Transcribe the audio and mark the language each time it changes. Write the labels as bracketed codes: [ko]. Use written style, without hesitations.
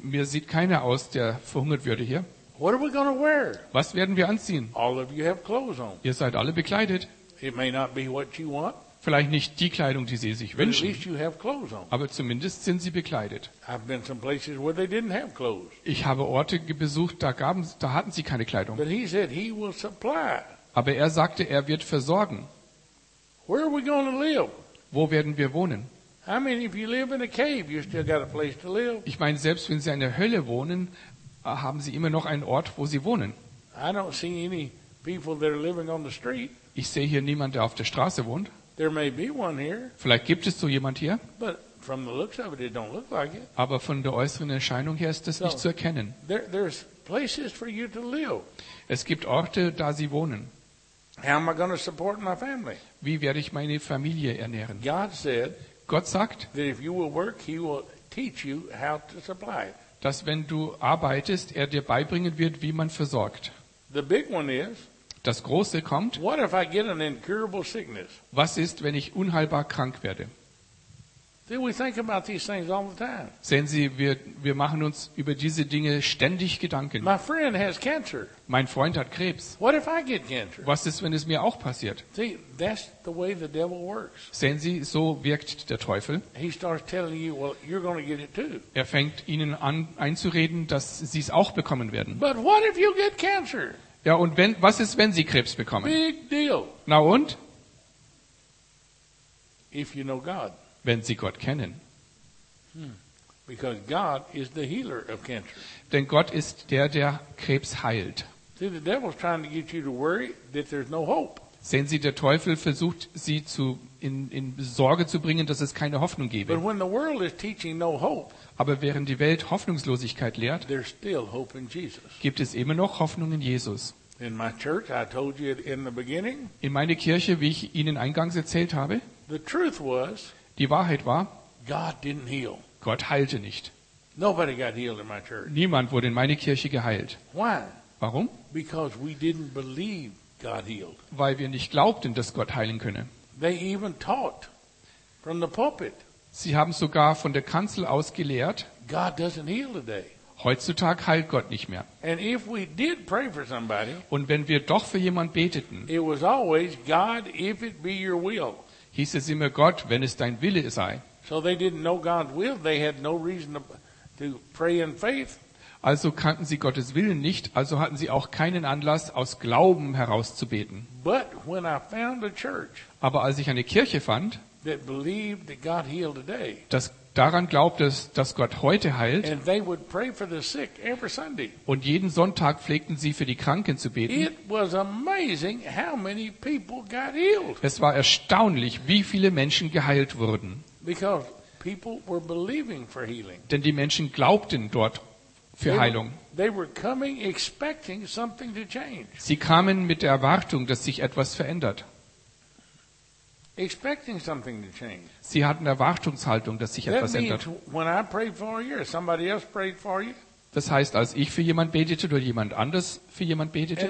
[de] Mir sieht keiner aus, der verhungert würde hier. [en] What are we gonna wear? [de] Was werden wir anziehen? [en] All of you have clothes on. [de] Ihr seid alle bekleidet. [en] It may not be what you want. [de] Vielleicht nicht die Kleidung, die Sie sich wünschen. [en] But at least you have clothes on. [de] Aber zumindest sind Sie bekleidet. [en] I've been some places where they didn't have clothes. [de] Ich habe Orte besucht, da hatten Sie keine Kleidung. [en] But he said he will supply. [de] Aber er sagte, er wird versorgen. [en] Where are we going to live? [de] Wo werden wir wohnen? [en] I mean, if you live in a cave, you still got a place to live. [de] Ich meine, selbst wenn Sie in der Hölle wohnen, haben Sie immer noch einen Ort, wo Sie wohnen. [en] I don't see any people that are living on the street. [de] Ich sehe hier niemanden, der auf der Straße wohnt. [en] There may be one here. [de] Vielleicht gibt es so jemand hier. [en] But from the looks of it, it don't look like it. [de] Aber von der äußeren Erscheinung her ist das nicht zu erkennen. [en] There's places for you to live. [de] Es gibt Orte, da Sie wohnen. [en] How am I going to support my family? [de] Wie werde ich meine Familie ernähren? [en] God said, [de] Gott sagt, [en] that if you will work, he will teach you how to supply. [de] Dass wenn du arbeitest, er dir beibringen wird, wie man versorgt. [en] The big one is, [de] das Große kommt, [en] what if I get an incurable sickness? [de] Was ist, wenn ich unheilbar krank werde? [en] See, we think about these things all the time. [de] Sehen Sie, wir machen uns über diese Dinge ständig Gedanken. [en] My friend has cancer. [de] Mein Freund hat Krebs. [en] What if I get cancer? [de] Was ist, wenn es mir auch passiert? [en] See, that's the way the devil works. [de] Sehen Sie, so wirkt der Teufel. [en] He starts telling you, well, you're going to get it too. [de] Er fängt Ihnen an einzureden, dass Sie es auch bekommen werden. [en] But what if you get cancer? [de] Ja, und wenn, was ist, wenn Sie Krebs bekommen? [en] Big deal. [de] Na und? [en] If you know God. [de] Wenn Sie Gott kennen. [en] Because God is the healer of cancer. [de] Denn Gott ist der Krebs heilt. [en] See, the devil's trying to get you to worry that there's no hope. [de] Sehen Sie, der Teufel versucht, Sie zu, in Sorge zu bringen, dass es keine Hoffnung gebe. [en] But when the world is teaching no hope, [de] aber während die Welt Hoffnungslosigkeit lehrt, [en] there's still hope in Jesus. [de] Gibt es immer noch Hoffnung in Jesus. [en] In my church, I told you in the beginning, [de] in meine Kirche, wie ich Ihnen eingangs erzählt habe, [en] the truth was, [de] die Wahrheit war, [en] God didn't heal. [de] Gott heilte nicht. [en] Nobody got healed in my church. [de] Niemand wurde in meine Kirche geheilt. [en] Why? [de] Warum? [en] Because we didn't believe God healed. [de] Weil wir nicht glaubten, dass Gott heilen könne. [en] They even taught from the pulpit. [de] Sie haben sogar von der Kanzel aus gelehrt, [en] God doesn't heal today. [de] Heutzutage heilt Gott nicht mehr. [en] And if we did pray for somebody, [de] und wenn wir doch für jemanden beteten, [en] it was always, God, if it be your will. [de] Hieß es immer, Gott, wenn es dein Wille sei. [en] So they didn't know God's will, they had no reason to pray in faith. [de] Also kannten sie Gottes Willen nicht, also hatten sie auch keinen Anlass, aus Glauben heraus zu beten. [en] But when I found a church, [de] aber als ich eine Kirche fand, [en] that believed that God healed today, [de] dass daran glaubt, dass Gott heute heilt, [en] and they would pray for the sick every Sunday, [de] und jeden Sonntag pflegten sie für die Kranken zu beten, [en] it was amazing how many people got healed. [de] Es war erstaunlich, wie viele Menschen geheilt wurden. [en] Because people were believing for healing. [de] Denn die Menschen glaubten dort für Heilung. [en] They were coming expecting something to change. [de] Sie kamen mit der Erwartung, dass sich etwas verändert. [en] Expecting something to change. [de] Sie hatten Erwartungshaltung, dass sich etwas ändert. [en] When I prayed for you, somebody else prayed for you. [de] Das heißt, als ich für jemand betete oder jemand anders für jemand betete.